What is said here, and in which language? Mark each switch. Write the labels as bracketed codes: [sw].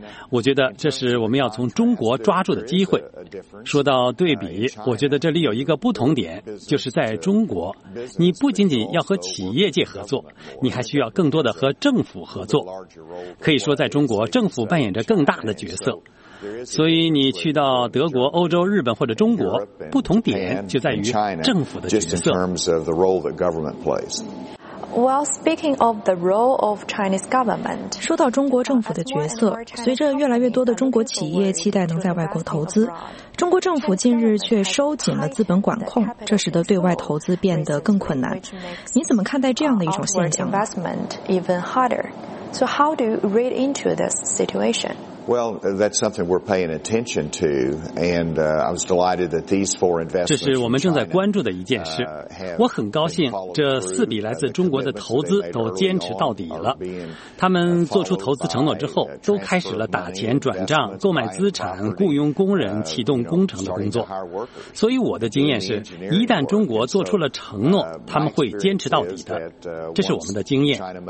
[zh] 我觉得这是我们要从中国抓住的机会。说到对比，我觉得这里有一个不同点，就是在中国你不仅仅要和企业界合作，你还需要更多的和政府合作。可以说在中国政府扮演着更大的角色，所以你去到德国、欧洲、日本或者中国，不同点就在于政府的角色。 [en] Well, speaking of the role of Chinese government, [zh] 说到中国政府的角色，随着越来越多的中国企业期待能在外国投资，中国政府近日却收紧了资本管控，这使得对外投资变得更困难。你怎么看待这样的一种现象？ [en] Investment even harder. So how do you read into this situation? Well, that's something we're paying attention to, and I was delighted that these four investments. [zh] 这是我们正在关注的一件事。我很高兴，这四笔来自中国的投资都坚持到底了。他们做出投资承诺之后，都开始了打钱、转账、购买资产、雇佣工人、启动工程的工作。所以我的经验是，一旦中国做出了承诺，他们会坚持到底的。这是我们的经验。